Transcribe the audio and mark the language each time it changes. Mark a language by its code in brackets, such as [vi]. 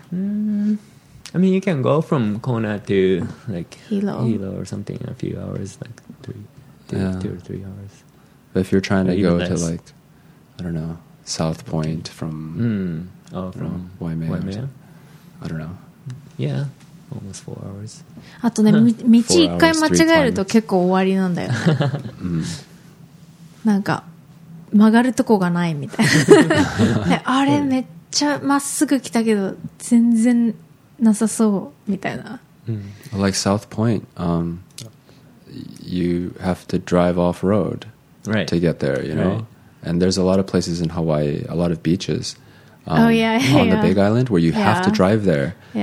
[en] Mm. I mean, you can go from Kona to like Hilo or something in a few hours, like two or 3 hours. But if you're trying to go to like, I don't know, South Point from Waimea. I don't know. Yeah, almost 4 hours. [ja] あとね、道一回間違えると結構終わりなんだよ。なんか曲がるとこがないみたいな。あれめっちゃまっすぐ来たけど全然なさそうみたいな。 [en] Like South Point, you have to drive off road to get there, you know. And there's a lot of places in Hawaii, a lot of beaches. On the Big Island where you have to drive there.